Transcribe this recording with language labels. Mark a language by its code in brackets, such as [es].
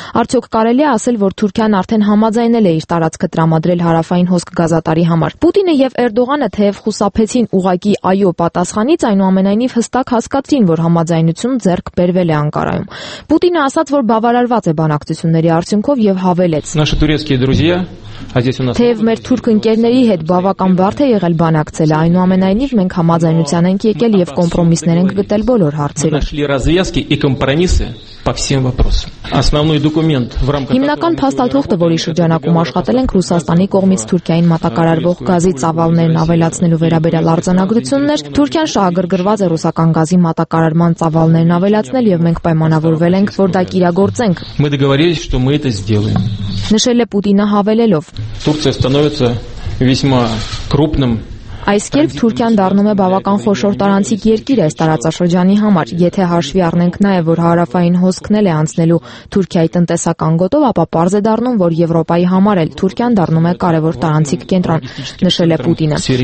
[hy] Արդյոք կարելի է ասել, որ Թուրքիան արդեն համաձայնել է իր տարածքը տրամադրել հարավային հոսք գազատարի համար։ Պուտինը եւ Էրդողանը թեև խուսափեցին ուղակի այո պատասխանից, այնուամենայնիվ հստակ հասկացին, որ համաձայնություն ձեռք բերվել է Անկարայում։ Պուտինը ասաց, որ բավարարված է բանակցությունների արդյունքով, եւ հավելեց. Թեև մեր թուրք ընկերների հետ բավական բարդ է եղել բանակցել, այնուամենայնիվ մենք համաձայնության ենք եկել եւ կոմպրոմիսներ ենք գտել բոլոր հարցերում։ [ru] Основной документ в рамках [hy] Հիմնական փաստաթուղթը, որի շրջանակում աշխատել ենք Ռուսաստանի կողմից Թուրքիային մատակարարվող գազի ծավալներն ավելացնելու վերաբերյալ արձանագրություններ, Թուրքիան շահագրգռված է ռուսական գազի մատակարարման ծավալներն ավելացնել, եւ մենք պայմանավորվել ենք, որ դա կիրագործենք։ [ru] Мы договорились, что мы это сделаем. [hy] Նշել է Պուտինը հավելելով. [ru] Турция становится весьма крупным [hy] Այս կերպ Թուրքիան դառնում է բավական խոշոր տարածքի երկիր այս տարածաշրջանի համար։ Եթե հաշվի առնենք նաև, որ հարավային հոսքն էլ է անցնելու Թուրքիայի տնտեսական գոտով, ապա պարզ է դառնում, որ Եվրոպայի համար էլ Թուրքիան դառնում է կարևոր տարածքի կենտրոն, նշել է Պուտինը։